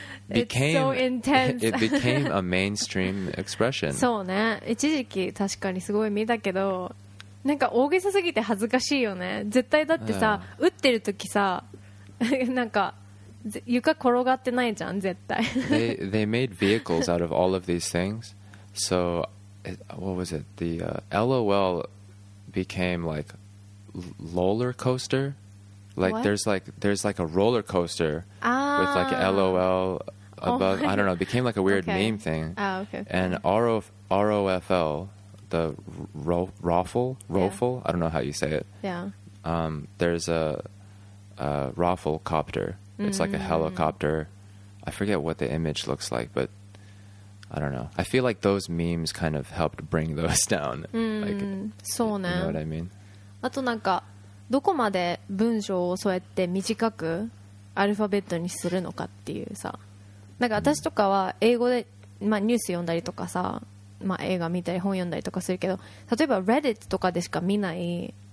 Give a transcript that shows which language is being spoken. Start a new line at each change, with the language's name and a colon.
English: became, it's so intense. It became a mainstream expression.
Japanese: そうね。一時期確かにすごい見たけど、なんか大げさすぎて恥ずかしいよね。絶対だってさ、yeah. 打ってる時さ、なんか床転がってないじゃん、絶対。
English: they made vehicles out of all of these things. So, what was it? The、LOL... became like roller coaster like、 What? there's like a roller coaster、 ah. with like LOL above、oh. I don't know it became like a weird、okay. meme thing、 ah, okay. and ROFL the roffle、 yeah. I don't know how you say it、 yeah. There's a roffle copter it's、mm-hmm. like a helicopter I forget what the image looks like butI don't know. I feel like those memes kind of helped bring those down.
Japanese: そうね。
English: You know what I mean?
Japanese: あとなんかどこまで文章をそうやって短くアルファベットにするのかっていうさ。なんか私とかは英語で、まあ、ニュース読んだりとかさ、まあ、映画見たり本読んだりとかするけど、例えば Reddit とかでしか見ない。